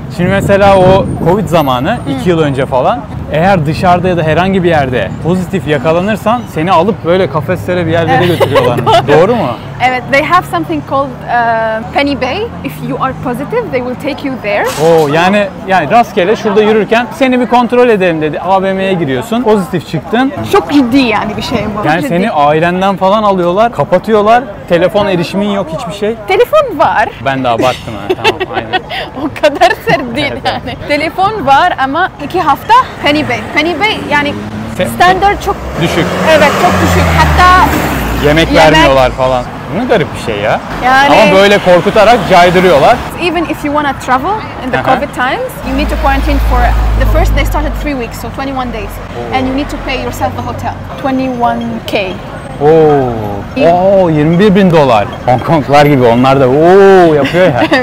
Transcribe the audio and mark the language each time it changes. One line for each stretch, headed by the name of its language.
Turkish: Şimdi mesela o Covid zamanı, 2 yıl önce falan, eğer dışarıda ya da herhangi bir yerde pozitif yakalanırsan seni alıp böyle kafeslere bir yerlere götürüyorlarmış. Doğru mu? Evet,
English: they have something called Penny Bay. If you are positive, they will take you there.
Turkish: Oo, yani rastgele şurada yürürken seni bir kontrol edelim dedi. AVM'ye giriyorsun, pozitif çıktın. Çok ciddi yani bir şey bu. Yani ciddi. Seni ailenden falan alıyorlar, kapatıyorlar. Telefon erişimin yok, hiçbir şey. Telefon var. Ben de abarttım ha. Tamam, aynen. O kadar sert değil evet, yani. Evet. Telefon var ama 2 hafta Penny Bay. Penny Bay yani standart çok... Düşük. Evet, çok düşük. Hatta... Yemek vermiyorlar falan. Ne garip bir şey ya. Yani, ama böyle korkutarak caydırıyorlar.
English: Even if you wanna travel in the COVID times, you need to quarantine for the first they started 3 weeks, so 21 days. Oh. And you need to pay yourself a hotel. 21k.
Turkish: Oo. Oo, 21 bin dolar. Hong Konglar gibi onlar da ooo yapıyor ya.